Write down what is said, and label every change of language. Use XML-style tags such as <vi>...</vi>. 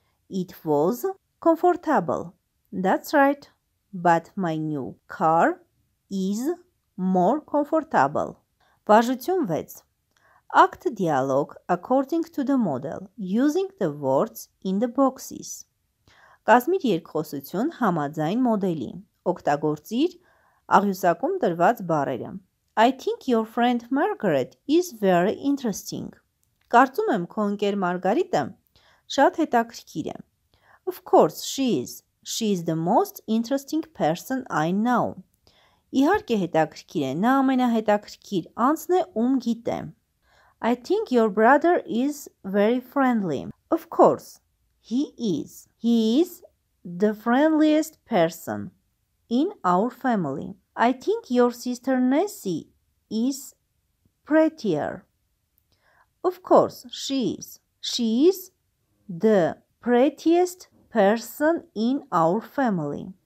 <en>It was comfortable. That's right, but my new car is more comfortable.</en> <hy>Վարժություն 6.</hy> <en>Act dialogue according to the model, using the words in the boxes.</en> <hy>Կազմիր երկխոսություն համաձայն մոդելի, օգտագործիր աղյուսակում տրված բառերը։</hy> <en>I think your friend Margaret is very interesting.</en> <hy>Կարծում եմ քո ընկեր Մարգարիտը շատ հետաքրքիր է։</hy> <en>Of course she is. She is the most interesting person I know.</en> <hy>Իհարկե հետաքրքիր է, նա ամենահետաքրքիր անձն է, ում գիտեմ։</hy> <en>I think your brother is very friendly. Of course he is. He is the friendliest person in our family. I think your sister Nessie is prettier. Of course, she is. She is the prettiest person in our family.</en>